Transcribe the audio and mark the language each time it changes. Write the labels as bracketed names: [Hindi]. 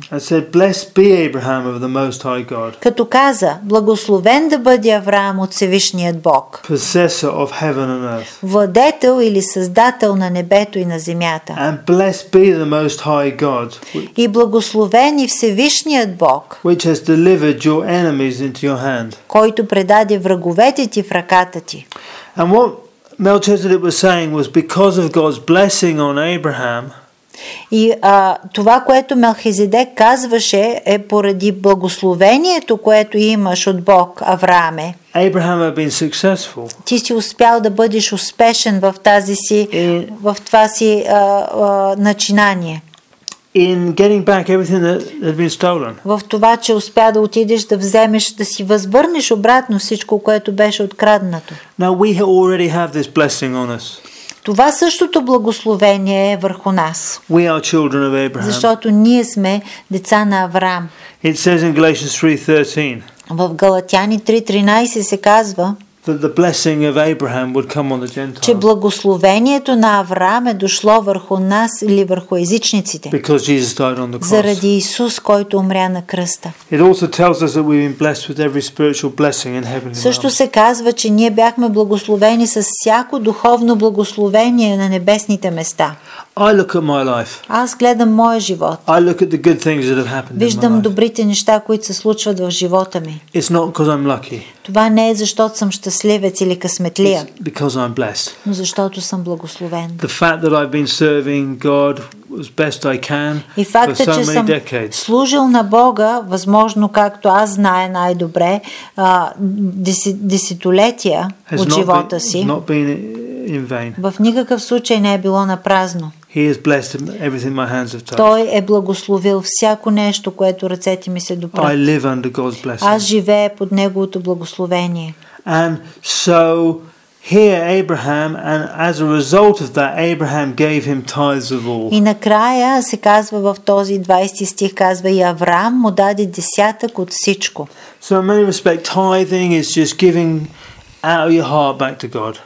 [English] And said, "Blessed be Abraham of the Most High God." [Bulgarian] Като каза, благословен да бъде Авраам от Всевишният Бог. [English] Possessor of heaven and earth. [Bulgarian] Владетел или създател на небето и на земята. [English] And blessed be the Most High God. [Bulgarian] И благословен и Всевишният Бог. [English] Which has delivered your enemies into your hand. [Bulgarian] Който предаде враговете ти в ръката ти. [English] And what Melchizedek was saying was because of God's blessing on Abraham. [Bulgarian] И това, което Мелхизедек казваше, е поради благословението, което имаш от Бог, Аврааме. [English] Abraham had been successful. [Bulgarian] Ти си успял да бъдеш успешен в това си начинание. [English] In getting back everything that had been stolen. [Bulgarian] В това, че успя да отидеш да вземеш, да си възвърнеш обратно всичко, което беше откраднато. [English] Now we already have this blessing on us. [Bulgarian] Това същото благословение е върху нас. [English] We are children of Abraham. [Bulgarian] Защото ние сме деца на Авраам. [English] It says in Galatians 3:13. [Bulgarian] В Галатяни 3:13 се казва, [English] that the blessing of Abraham would come on the Gentiles. [Bulgarian] Че благословението на Авраам е дошло върху нас или върху езичниците. [English] Because Jesus died on the cross. [Bulgarian] Заради Исус, който умря на кръста. [English] It also tells us that we've been blessed with every spiritual blessing in heaven. [Bulgarian] Също се казва, че ние бяхме благословени с всяко духовно благословение на небесните места. [English] I look at my life. [Bulgarian] Аз гледам моя живот. [English] I look at the good things that have happened. [Bulgarian] Виждам добрите неща, които се случват в живота ми. [English] It's not because I'm lucky. [Bulgarian] Това не е защото съм щастливец или късметлия. [English] It's because I'm blessed. [Bulgarian] Но защото съм благословен. [English] The fact that I've been serving God as best I can for so many decades. [Bulgarian] И служил на Бога, възможно както аз знае най-добре, десетилетия от живота си. [English] Has not been in vain. [Bulgarian] В никакъв случай не е било напразно. [English] He has blessed everything my hands have touched. [Bulgarian] Той е благословил всяко нещо, което ръцете ми се допрат. [English] I live under God's blessing. [Bulgarian] Аз живея под неговото благословение. [English] And so here Abraham, and as a result of that, Abraham gave him tithes of all. [Bulgarian] И накрая се казва в този 20 стих, казва и Авраам му даде десятък от всичко. [English] So in many respects, tithing is just giving out of your heart back to God.